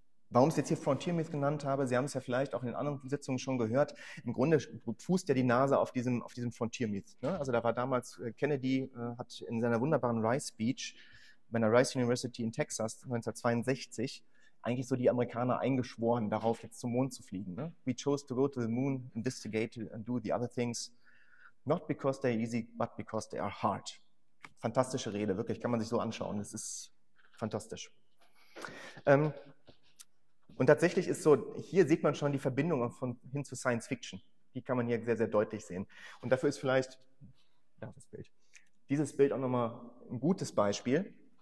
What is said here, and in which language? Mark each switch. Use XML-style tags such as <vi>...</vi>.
<de>Warum ich es jetzt hier Frontier Myth genannt habe, Sie haben es ja vielleicht auch in den anderen Sitzungen schon gehört, im Grunde fußt ja die NASA auf diesem Frontier Myth. Ne? Also da war damals, Kennedy hat in seiner wunderbaren Rice Speech bei der Rice University in Texas 1962 eigentlich so die Amerikaner eingeschworen, darauf jetzt zum Mond zu fliegen. Ne?</de> <en>We chose to go to the moon, investigate and do the other things, not because they're easy, but because they are hard.</en> <de>Fantastische Rede, wirklich, kann man sich so anschauen, das ist fantastisch. Und tatsächlich ist so, hier sieht man schon die Verbindung hin zu Science Fiction. Die kann man hier sehr, sehr deutlich sehen. Und dafür ist vielleicht dieses Bild auch nochmal ein gutes Beispiel.</de>